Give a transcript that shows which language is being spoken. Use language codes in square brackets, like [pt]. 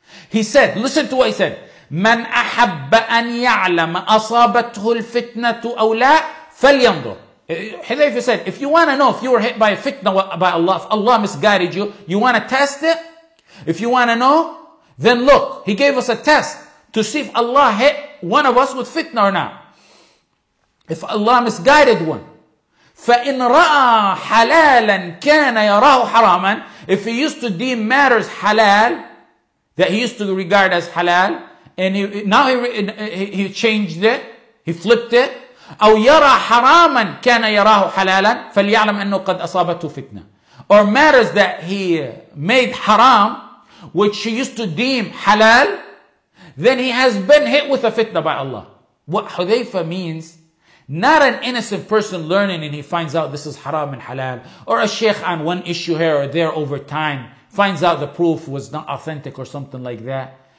[en] He said, listen to what he said, [ar] من أحب أن يعلم أصابته الفتنة أو لا فلينظر. [en] Hudhayfa said, if you want to know if you were hit by a fitna by Allah, if Allah misguided you, you want to test it? If you want to know, then look. He gave us a test to see if Allah hit one of us with fitna or not. If Allah misguided one. [ar] فَإِنْ رَأَى حَلَالًا كَانَ يَرَاهُ حَرَامًا. [en] If he used to deem matters halal, that he used to regard as halal, and he changed it, he flipped it. [ar] أَوْ يَرَى حَرَامًا كَانَ يَرَاهُ حَلَالًا فَلْيَعْلَمْ أَنُّ قَدْ أَصَابَتُ فِتْنَةً. [en] Or matters that he made haram, which he used to deem halal, then he has been hit with a fitna by Allah. What Hudhayfa means, not an innocent person learning and he finds out this is haram and halal, or a sheikh on one issue here or there over time finds out the proof was not authentic or something like that.